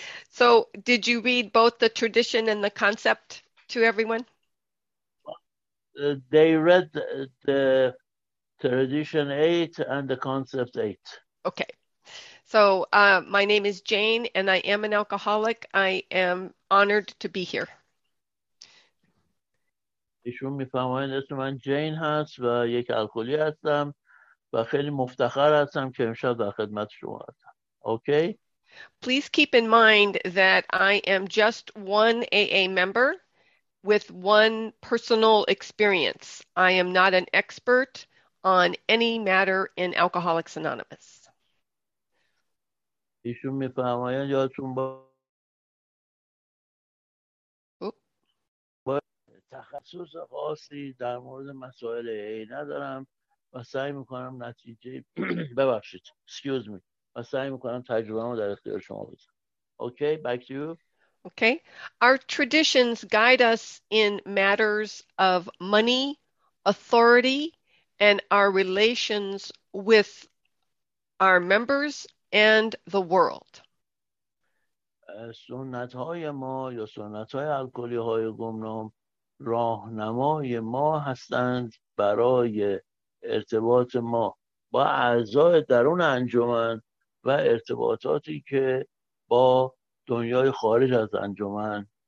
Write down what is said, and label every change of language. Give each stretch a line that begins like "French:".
English: So did you read both the tradition and the concept to everyone? They read the Tradition 8 and the Concept 8. Okay. So my name is Jane and I am an alcoholic. I am honored to be here.
Persian: ایشون میفهمن اسم من جین هست و یک الکلی هستم و خیلی مفتخر هستم که امشب در خدمت شما هستم.
English: Okay? Please keep in mind that I am just one AA member with one personal experience. I am not an expert on any matter in Alcoholics Anonymous.
Persian: ایشون میفهمن یادتون با تخصص خاصی در مورد مسائل ای ندارم و سعی میکنم نتیجه ببخشید
English: excuse me
Persian: و سعی میکنم تجربه رو در اختیار شما بذارم.
English: Okay, back to you. Okay, our traditions guide us in matters of money, authority, and our relations with our members and the world.
Persian: سنت های ما یا سنت های الکلی های گمنام راهنمای ما هستند برای ارتباط ما با اعضای درون انجمن و ارتباطاتی که با دنیای خارج از انجمن